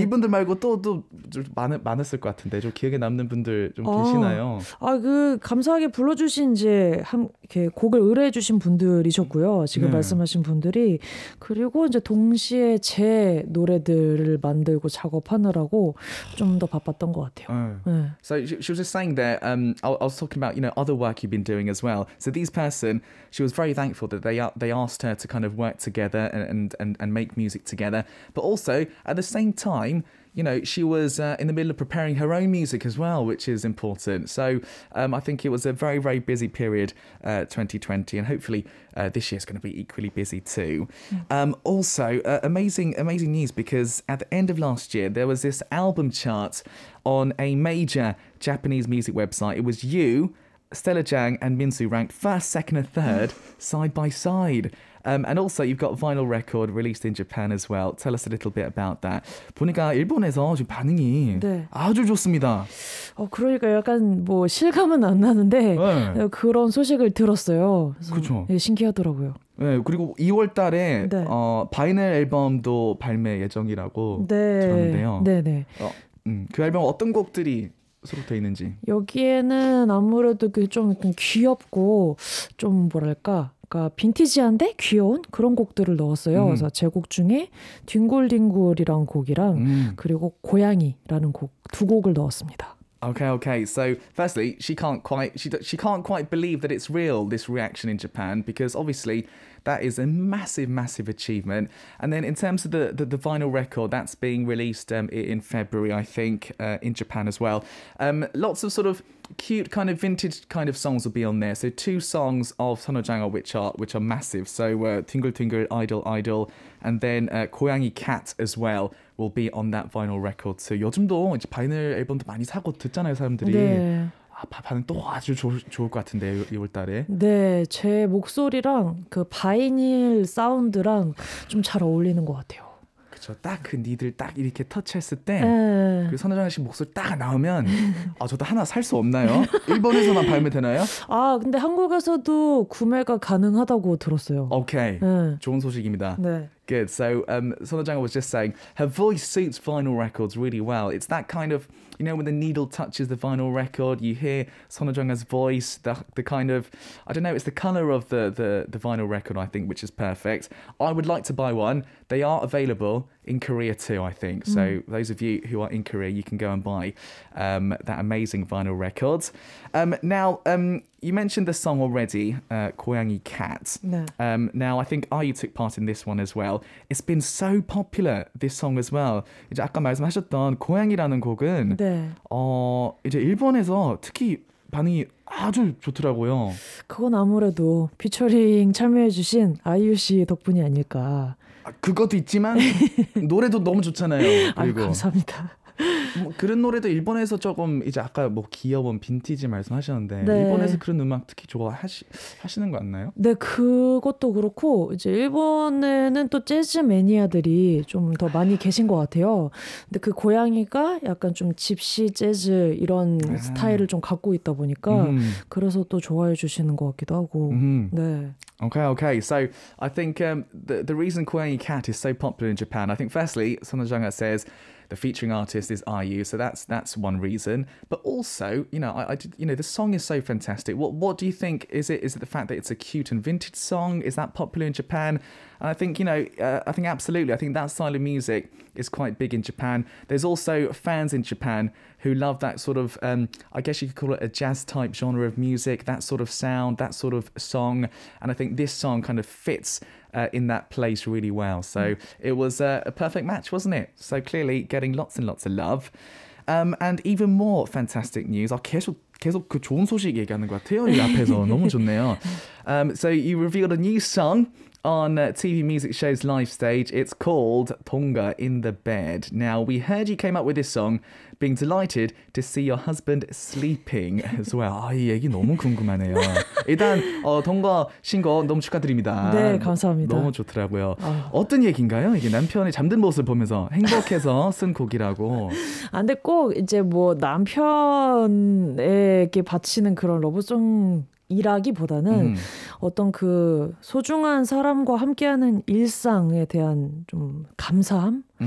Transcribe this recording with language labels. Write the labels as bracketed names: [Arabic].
[Korean] 이분들 말고 또 많았을 것 같은데 좀 기억에 남는 분들 좀 계시나요? 그 감사하게 불러주신 이제 이렇게 곡을 의뢰해 주신 분들이셨고요. 지금 네. 말씀하신 분들이 그리고 이제 동시에 제 노래들을 만들고 작업하느라고 좀 더 바빴던 것 같아요. 네. [English] So she was just saying that I was talking about, you know, other work you've been doing as well. So these person, she was very thankful that they asked her to kind of work together and make music together, but also at the same time, you know, she was in the middle of preparing her own music as well, which is important. So I think it was a very, very busy period 2020, and hopefully this year is going to be equally busy too. Also amazing news, because at the end of last year there was this album chart on a major Japanese music website. It was you, Stella Jang and Minsu ranked first, second and third side by side. And also you've got vinyl record released in Japan as well. Tell us a little bit about that. [Korean] 보니까 일본에서 지금 반응이 네. 아주 좋습니다. 그러니까 약간 뭐 실감은 안 나는데 네. 그런 소식을 들었어요. 그렇죠. 예, 신기하더라고요. 네, 그리고 2월 달에 네. 바이널 앨범도 발매 예정이라고 네. 들었는데요. 네, 네. 그 앨범 어떤 곡들이 수록돼 있는지. 여기에는 아무래도 좀 귀엽고 좀 뭐랄까 그러니까 빈티지한데 귀여운 그런 곡들을 넣었어요. 그래서 제 곡 중에 뒹굴뒹굴이라는 곡이랑 그리고 고양이라는 곡 두 곡을 넣었습니다. [English] Okay, okay. So firstly, she can't quite believe that it's real, this reaction in Japan, because obviously That is a massive, massive achievement. And then in terms of the vinyl record, that's being released in February, I think, in Japan as well. Lots of sort of cute kind of vintage kind of songs will be on there. So two songs of Sunwoojunga which are massive. So Tingle Tingle, Idol Idol, and then Koyangi Cat as well will be on that vinyl record. [Korean] So 요즘도 이제 바이닐 앨범도 많이 사고 듣잖아요, 사람들이. 네. 아, 반응 또 아주 좋을 것 같은데요, 이월 달에. 네, 제 목소리랑 그 바이닐 사운드랑 좀 잘 어울리는 것 같아요. 그렇죠. 딱 그 니들 딱 이렇게 터치했을 때 그 네. 선우정아 씨 목소리 딱 나오면 아 저도 하나 살 수 없나요? 일본에서만 팔면 되나요? 아 근데 한국에서도 구매가 가능하다고 들었어요. 오케이. Okay. 네. 좋은 소식입니다. 네. [English] Good. So Sunwoojunga was just saying her voice suits vinyl records really well. It's that kind of, you know, when the needle touches the vinyl record, you hear Sunwoojunga's voice, the kind of, I don't know, it's the color of the vinyl record, I think, which is perfect. I would like to buy one. They are available in Korea too, I think. So those of you who are in Korea, you can go and buy that amazing vinyl record. Now, you mentioned the song already, Koyangi Cat. No. Now, I think Ayu took part in this one as well. It's been so popular, this song as well. [Korean] 이제 아까 말씀하셨던 고양이라는 곡은 네. 이제 일본에서 특히 반응이 아주 좋더라고요. 그건 아무래도 피처링 참여해주신 아이유 씨 덕분이 아닐까. 그것도 있지만 노래도 너무 좋잖아요. 그리고 아유, 감사합니다. 뭐 그런 노래도 일본에서 조금 이제 아까 뭐 귀여운 빈티지 말씀하셨는데 네. 일본에서 그런 음악 특히 좋아하시는 거 같나요? 네, 그것도 그렇고 이제 일본에는 또 재즈 매니아들이 좀 더 많이 계신 것 같아요. 근데 그 고양이가 약간 좀 집시 재즈 이런 스타일을 좀 갖고 있다 보니까 그래서 또 좋아해 주시는 것 같기도 하고 네. [English] Okay, okay. So I think the reason Koyangi Cat is so popular in Japan, I think firstly, Sunwoojunga says the featuring artist is IU, so that's one reason. But also, you know, I did, the song is so fantastic. What do you think? Is it the fact that it's a cute and vintage song? Is that popular in Japan? And I think, you know, I think absolutely. I think that style of music is quite big in Japan. There's also fans in Japan who love that sort of, I guess you could call it a jazz type genre of music, that sort of sound, that sort of song. And I think this song kind of fits in that place really well. So it was a perfect match, wasn't it? So clearly getting lots and lots of love. And even more fantastic news. [Korean] 계속 그 좋은 소식 얘기하는 것 같아요, 이 앞에서. 너무 좋네요. [English] So you revealed a new song on TV music show's live stage. It's called Tonga in the Bed. Now, we heard you came up with this song, being delighted to see your husband sleeping as well. [Korean] 아, 이 얘기 너무 궁금하네요. 일단, 동거 신곡 너무 축하드립니다. 네, 감사합니다. 너무 좋더라고요. 어떤 얘기인가요? 이게 남편이 잠든 모습을 보면서 행복해서 쓴 곡이라고. 안 돼, 꼭 이제 뭐 남편에게 바치는 그런 러브송 이라기보다는 어떤 그 소중한 사람과 함께하는 일상에 대한 좀 감사함?